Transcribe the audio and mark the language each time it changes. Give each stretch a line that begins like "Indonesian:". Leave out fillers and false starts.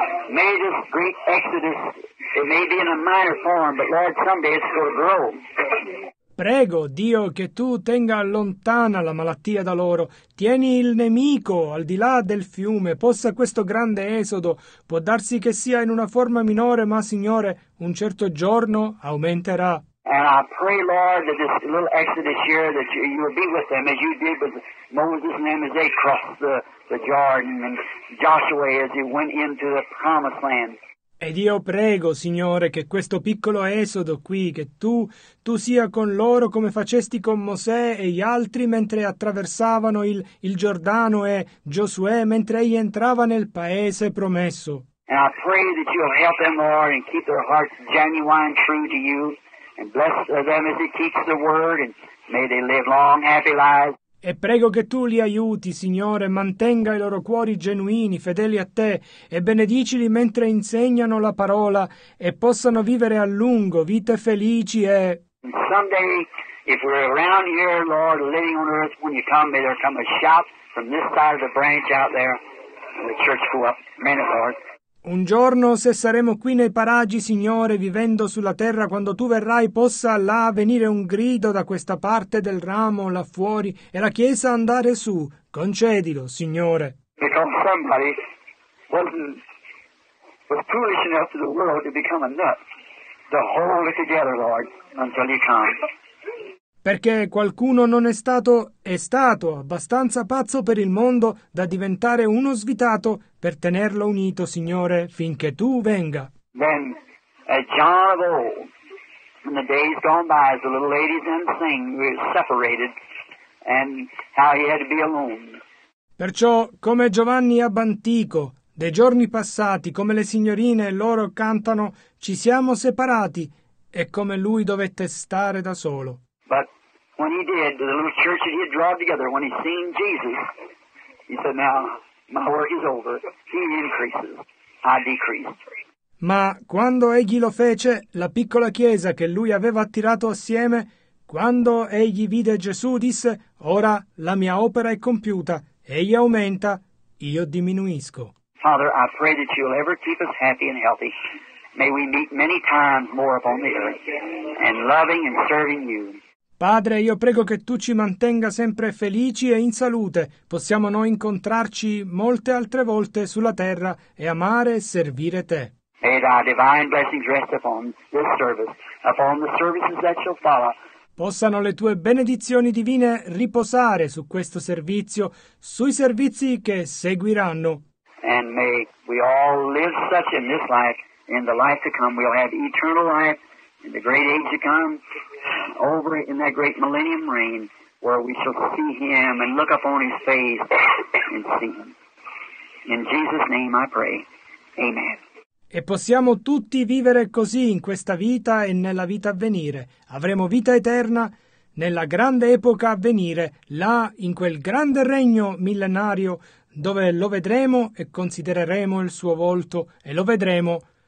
English: May this great exodus, it may be in a minor form, but Lord, someday it's going to grow.
Italian: Prego, Dio, che tu tenga lontana la malattia da loro. Tieni il nemico al di là del fiume. Possa questo grande esodo, può darsi che sia in una forma minore, ma, Signore, un certo giorno aumenterà.
English: And I pray, Lord, that this little exodus here, that you will be with them as you did with Moses and them as they crossed the Jordan and Joshua as he went into the promised land.
Italian: Ed io prego, Signore, che questo piccolo esodo qui, che tu sia con loro come facesti con Mosè e gli altri mentre attraversavano il Giordano e Giosuè mentre egli entrava nel paese promesso.
English: And I pray that you will help them, Lord, and keep their hearts genuine, true to you, and bless them as he teaches the word, and may they live long, happy lives.
Italian: E prego che tu li aiuti, Signore, mantenga i loro cuori genuini, fedeli a te, e benedicili mentre insegnano la parola e possano vivere a lungo vite felici e...
English: Someday, if we're around here, Lord, living on earth, when you come, may there come a shout from this side of the branch out there, and the church go up. Amen, Lord.
Italian: Un giorno, se saremo qui nei paraggi, Signore, vivendo sulla terra, quando Tu verrai, possa là venire un grido da questa parte del ramo, là fuori, e la Chiesa andare su. Concedilo, Signore.
English: Because somebody was foolish enough to the world to become a nut, to hold it together, Lord, until you come.
Italian: Perché qualcuno non è stato abbastanza pazzo per il mondo da diventare uno svitato per tenerlo unito, Signore, finché tu venga.
English: Then, as John of old, in the days gone by, as the little ladies then sing, we were separated, and how he had to be alone.
Italian: Perciò, come Giovanni ab antico, dei giorni passati, come le signorine e loro cantano, ci siamo separati e come lui dovette stare da solo.
English: When he did, the little church that he had drawn together, when he seen Jesus, he said, "Now my work is over. He increases, I decrease."
Italian: Ma quando egli lo fece, la piccola chiesa che lui aveva attirato assieme, quando egli vide Gesù, disse: "Ora la mia opera è compiuta." Egli aumenta, io diminuisco.
English: Father, I pray that you'll ever keep us happy and healthy. May we meet many times more upon the earth and loving and serving you.
Italian: Padre, io prego che tu ci mantenga sempre felici e in salute. Possiamo noi incontrarci molte altre volte sulla terra e amare e servire te.
English: May thy divine blessings rest upon this service, upon the services that shall follow.
Italian: Possano le tue benedizioni divine riposare su questo servizio, sui servizi che seguiranno.
English: And may we all live such in this life, in the life to come. We'll have eternal life in the great age to come, over in that great millennium reign, where we shall see him and look upon his face and see him. In Jesus' name I pray. Amen.
Italian: E possiamo tutti vivere così in questa vita e nella vita a venire. Avremo vita eterna nella grande epoca a venire, là in quel grande regno millenario dove lo vedremo e considereremo il suo volto e lo vedremo.